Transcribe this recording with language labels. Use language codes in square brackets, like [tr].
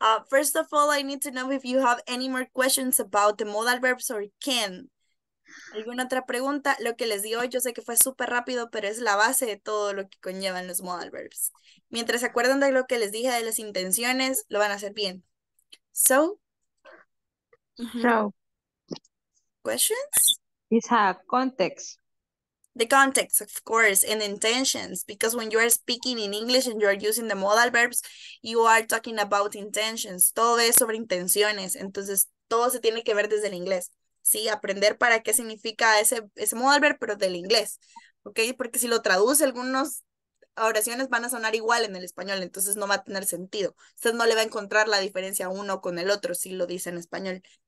[en] First of all, I need to know if you have any more questions about the modal verbs or can. [es] ¿Alguna otra pregunta? Lo que les digo, yo sé que fue súper rápido, pero es la base de todo lo que conllevan los modal verbs. Mientras se acuerdan de lo que les dije de las intenciones, lo van a hacer bien. [en] So. So. Questions? It's a context. The context, of course, and intentions. Because when you are speaking in English and you are using the modal verbs, you are talking about intentions. [es] Todo es sobre intenciones. Entonces, todo se tiene que ver desde el inglés. Sí, aprender para qué significa ese modal verb, pero del inglés. ¿Ok? Porque si lo traduce, algunas oraciones van a sonar igual en el español. Entonces, no va a tener sentido. Usted no le va a encontrar la diferencia uno con el otro si lo dice en español.